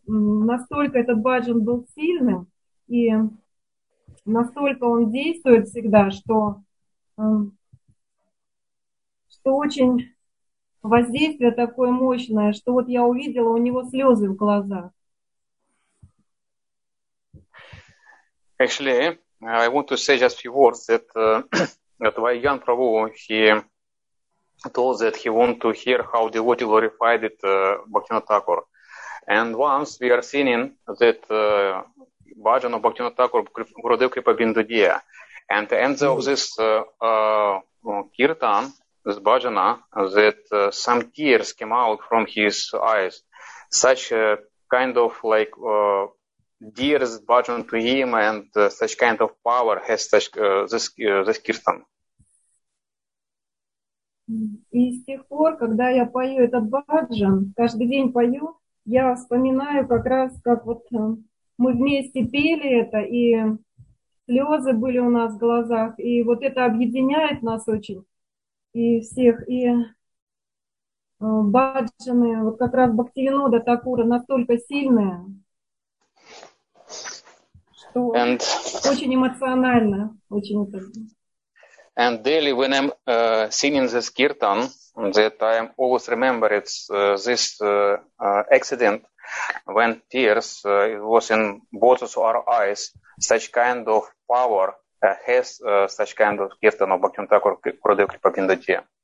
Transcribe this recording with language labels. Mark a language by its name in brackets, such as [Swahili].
[Russian] Настолько этот баджан был сильным, и настолько он действует всегда, что очень воздействие такое мощное, что вот я увидела, у него слезы в глазах. [English] Actually, I want to say just a few words that Адвайя Гьян Прабху, he told that he want to hear how devotee glorified it Bhaktivinoda Thakur. And once we are singing that bhajan of Bhaktivinoda Thakur, Gurudev Kripa Bindudeya. And the end of this kirtan, this bhajana, that some tears came out from his eyes. Such a kind of like dearest bhajan to him and such kind of power has such this kirtan. [Russian] И с тех пор, когда я пою этот баджан, каждый день пою, я вспоминаю как раз, как вот мы вместе пели это, и слезы были у нас в глазах, и вот это объединяет нас очень, и всех, и баджаны, вот как раз Бхактивинода Такура настолько сильные, что очень эмоционально, очень это. [English] And daily when I'm singing this kirtan, that I am always remember it's this accident when tears was in both of our eyes, such kind of power has such kind of kirtan of Bhakti Thakur Gurudev Kripa Bindati.